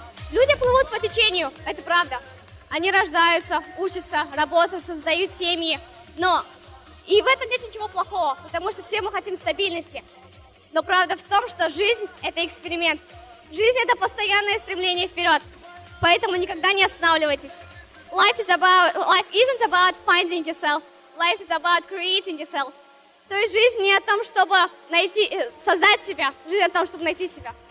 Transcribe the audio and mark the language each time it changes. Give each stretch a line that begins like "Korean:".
Russian: Люди плывут по течению, это правда. Они рождаются, учатся, работают, создают семьи. Но и в этом нет ничего плохого, потому что все мы хотим стабильности. Но правда в том, что жизнь – это эксперимент. Жизнь – это постоянное стремление вперед. Поэтому никогда не останавливайтесь.
English: Life isn't about finding yourself. Life is about creating yourself.
Russian: То есть жизнь не о том, чтобы найти, создать себя. Жизнь о том, чтобы найти себя.